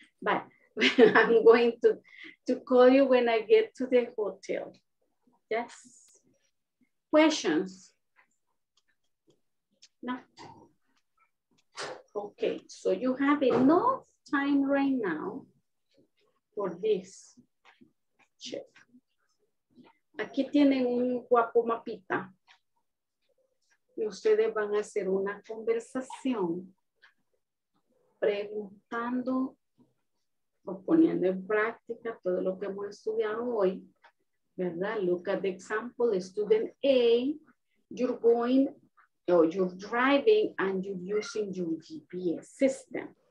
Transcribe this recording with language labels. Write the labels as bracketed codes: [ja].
[en] But I'm going to call you when I get to the hotel. Yes. Questions? No. Okay, so you have enough time right now for this check. [es] Aquí tienen un guapo mapita. Y ustedes van a hacer una conversación preguntando o poniendo en práctica todo lo que hemos estudiado hoy, ¿verdad? [en] Look at the example, student A, you're going, or you're driving and you're using your GPS system.